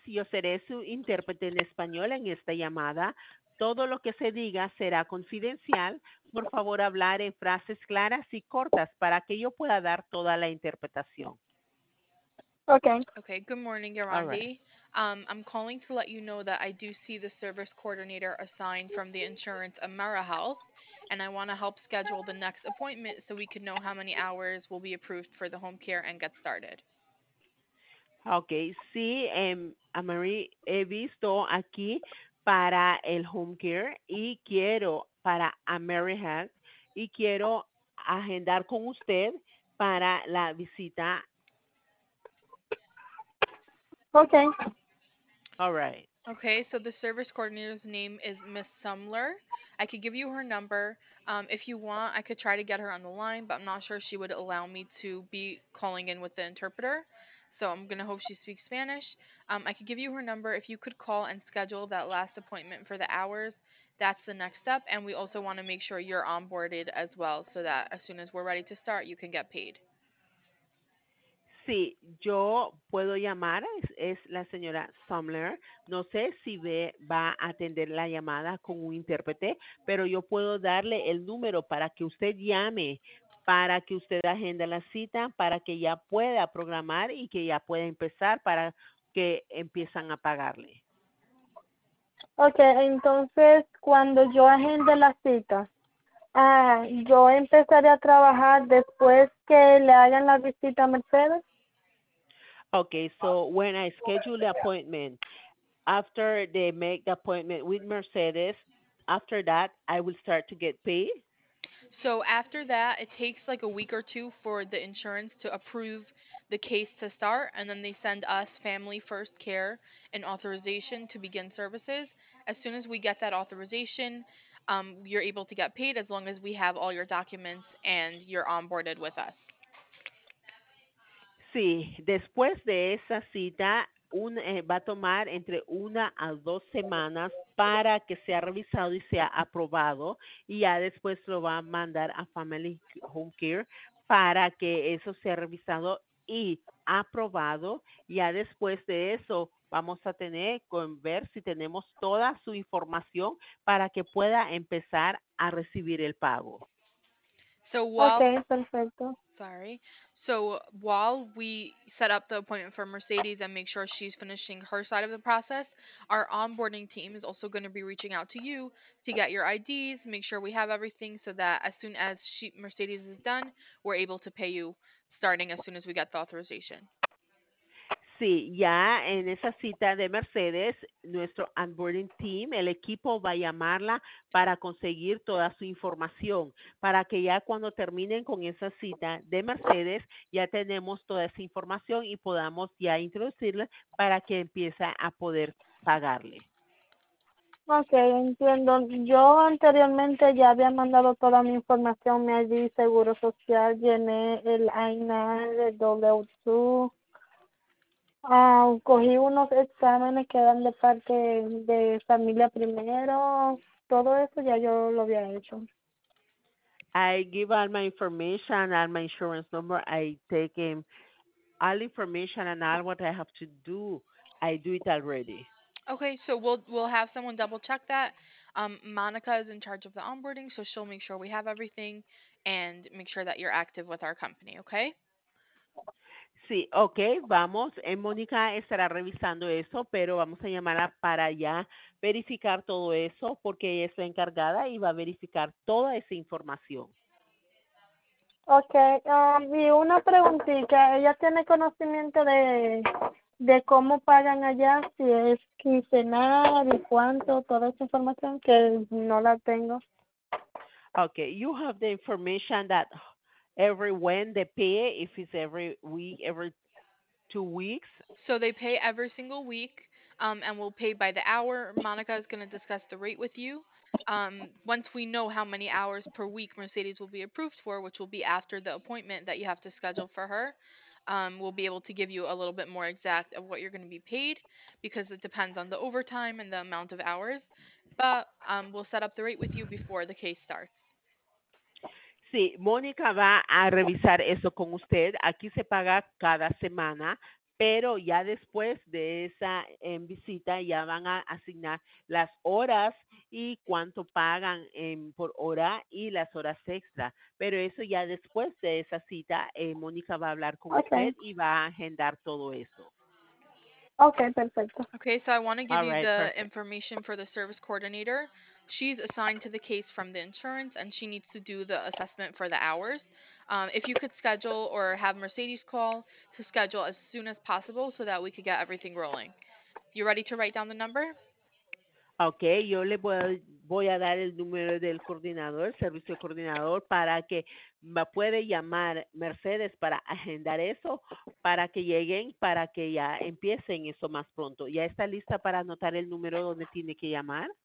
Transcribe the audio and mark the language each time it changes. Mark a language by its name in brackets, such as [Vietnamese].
[Spanish] Yo seré su intérprete en español en esta llamada. Todo lo que se diga será confidencial. Por favor, hablar en frases claras y cortas para que yo pueda dar toda la interpretación. [English] Okay. Okay, good morning, All right. Yarandi. I'm calling to let you know that I do see the service coordinator assigned from the insurance AmeriHealth, and I want to help schedule the next appointment so we can know how many hours will be approved for the home care and get started. [Spanish] Okay, sí, Amari, he visto aquí para el home care y quiero para AmeriHealth y quiero agendar con usted para la visita. [English] Okay. All right. Okay, so the service coordinator's name is Miss Sumler. I could give you her number. If you want, I could try to get her on the line, but I'm not sure she would allow me to be calling in with the interpreter. So I'm gonna hope she speaks Spanish. I could give you her number. If you could call and schedule that last appointment for the hours, that's the next step. And we also want to make sure you're onboarded as well so that as soon as we're ready to start, you can get paid. [Spanish] Sí, yo puedo llamar, es la señora Sumler. No sé si va a atender la llamada con un intérprete, pero yo puedo darle el número para que usted llame, para que usted agende la cita, para que ya pueda programar y que ya pueda empezar, para que empiezan a pagarle. Okay, entonces cuando yo agende la cita, yo empezaré a trabajar después que le hagan la visita a Mercedes. [English] Okay, so when I schedule the appointment, after they make the appointment with Mercedes, after that, I will start to get paid. So after that, it takes like a week or two for the insurance to approve the case to start, and then they send us Family First Care an authorization to begin services. As soon as we get that authorization, you're able to get paid as long as we have all your documents and you're onboarded with us. [Spanish] Sí, después de esa cita, va a tomar entre 1 a 2 semanas para que sea revisado y sea aprobado. Y ya después lo va a mandar a Family Home Care para que eso sea revisado y aprobado. Ya después de eso, vamos a tener que ver si tenemos toda su información para que pueda empezar a recibir el pago. [English] So Okay, while [Spanish] perfecto. [English] sorry. So while we set up the appointment for Mercedes and make sure she's finishing her side of the process, our onboarding team is also going to be reaching out to you to get your IDs, make sure we have everything so that as soon as she Mercedes is done, we're able to pay you starting as soon as we get the authorization. [Spanish] Sí, ya en esa cita de Mercedes, nuestro onboarding team, el equipo va a llamarla para conseguir toda su información, para que ya cuando terminen con esa cita de Mercedes, ya tenemos toda esa información y podamos ya introducirla para que empiece a poder pagarle. Okay, entiendo. Yo anteriormente ya había mandado toda mi información, mi ID, seguro social, llené el INR, el W2, cogí unos exámenes que eran de parte de familia primero, todo eso ya yo lo había hecho. [English] I give all my information and my insurance number. I take in all information and all what I have to do. I do it already. Okay, so we'll have someone double check that. Monica is in charge of the onboarding, so she'll make sure we have everything and make sure that you're active with our company, okay? [Spanish] Sí, okay, vamos. Mónica estará revisando eso, pero vamos a llamarla para ya verificar todo eso, porque ella es la encargada y va a verificar toda esa información. Okay, y una preguntita, ¿ella tiene conocimiento de cómo pagan allá, si es quincenal y cuánto, toda esa información que no la tengo? [English] Okay, you have the information that every when they pay, if it's every week, every 2 weeks. So they pay every single week, and we'll pay by the hour. Monica is going to discuss the rate with you. Once we know how many hours per week Mercedes will be approved for, which will be after the appointment that you have to schedule for her. we'll be able to give you a little bit more exact of what you're going to be paid, because it depends on the overtime and the amount of hours. But we'll set up the rate with you before the case starts. [Spanish] Sí, Mónica va a revisar eso con usted. Aquí se paga cada semana, pero ya después de esa en visita ya van a asignar las horas y cuánto pagan por hora y las horas extra. Pero eso ya después de esa cita, Mónica va a hablar con usted y va a agendar todo eso. Okay, perfecto. [English] Okay, so I want to give you the information for the service coordinator. She's assigned to the case from the insurance, and she needs to do the assessment for the hours. If you could schedule or have Mercedes call to schedule as soon as possible so that we could get everything rolling. You ready to write down the number? [Spanish] Okay, yo le voy a dar el número del coordinador, servicio coordinador, para que me puede llamar Mercedes para agendar eso, para que lleguen, para que ya empiecen eso más pronto. ¿Ya está lista para anotar el número donde tiene que llamar?